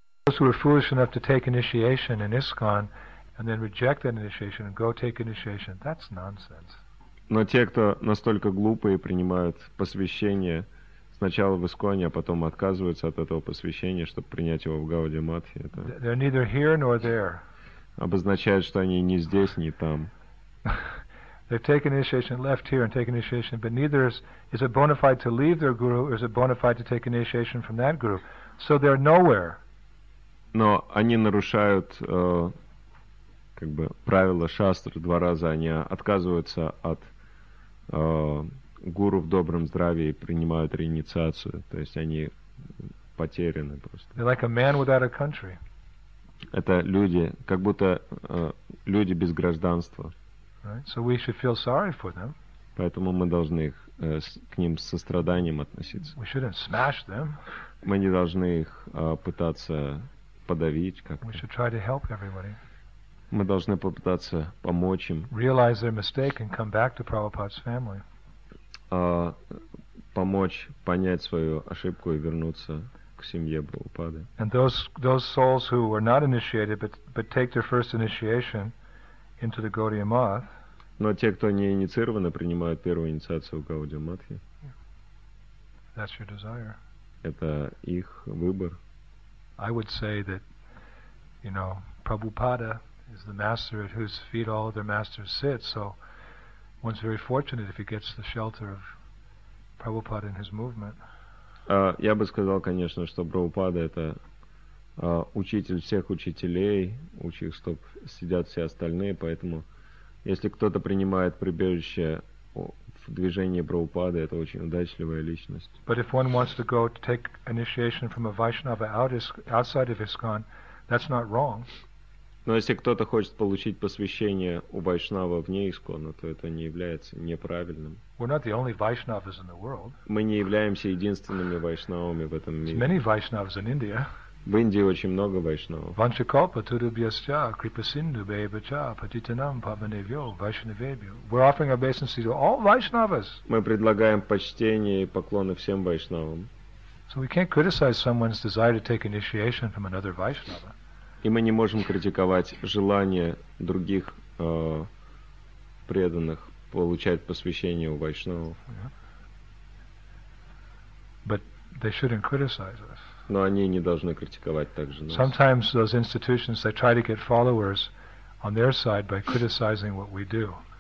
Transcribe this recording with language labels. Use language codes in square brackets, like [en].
[en] us who are foolish enough to take initiation in ISKCON and then reject that initiation and go take initiation, that's nonsense. [ru] Но те, кто настолько глупые, принимают посвящение сначала в ИСККОНе, а потом отказываются от этого посвящения, чтобы принять его в Гаудия Матхи, это [en] they're neither here nor there. [ru] Обозначает, что они ни здесь, ни там. [en] They've taken initiation, left here and taken initiation, but neither is it bona fide to leave their guru or is it bona fide to take initiation from that guru. So they're nowhere. [ru] Но они нарушают как бы правила шастры. Два раза они отказываются от гуру в добром здравии и принимают реинициацию. То есть они потеряны просто. [en] They're like a man without a country. [ru] Это люди, как будто люди без гражданства. [en] Right? So we should feel sorry for them. [ru] Поэтому мы должны их, к ним с состраданием относиться. [en] We shouldn't smash them. [ru] Мы не должны их пытаться подавить как-то. [en] We should try to help everybody. [ru] Мы должны попытаться помочь им. [en] Realize their mistake and come back to Prabhupada's family. [ru] Помочь понять свою ошибку и вернуться к семье Прабхупады. [en] And those souls who were not initiated but take their first initiation into the Gaudiya Math. [ru] Но те, кто не инициированы, принимают первую инициацию в Гаудия Матхи. [en] That's your desire. [ru] Это их выбор. [en] I would say that, you know, Prabhupada is the master at whose feet all other masters sit, so one's very fortunate if he gets the shelter of Prabhupada and his movement. [ru] Я бы сказал, конечно, что Прабхупада это учитель всех учителей, у чьих стоп сидят все остальные, поэтому если кто-то принимает прибежище в движении Прабхупады, это очень удачливая личность. [en] But if one wants to go to take initiation from a Vaishnava outside of ISKCON, that's not wrong. [ru] Но если кто-то хочет получить посвящение у Вайшнава вне ИСККОНа, то это не является неправильным. [en] We're not the only Vaishnavas in the world. [ru] Мы не являемся единственными Вайшнавами в этом мире. [en] Many Vaishnavas in India. [ru] В Индии очень много Вайшнава. [sa] Ванчакалпа Турубьясча Крипасинду Бейбача Патитанам Паванавьо Вайшнавебью. [en] We're offering obeisance to all Vaishnavas. [ru] Мы предлагаем почтение и поклоны всем Вайшнавам. [en] So we can't criticize someone's desire to take initiation from another Vaishnava. [ru] И мы не можем критиковать желание других преданных получать посвящение у Вайшнавов. [en] But they shouldn't criticize us. [ru] Но они не должны критиковать также нас. [en] Sometimes those institutions they try to get followers on their side by criticizing what we do.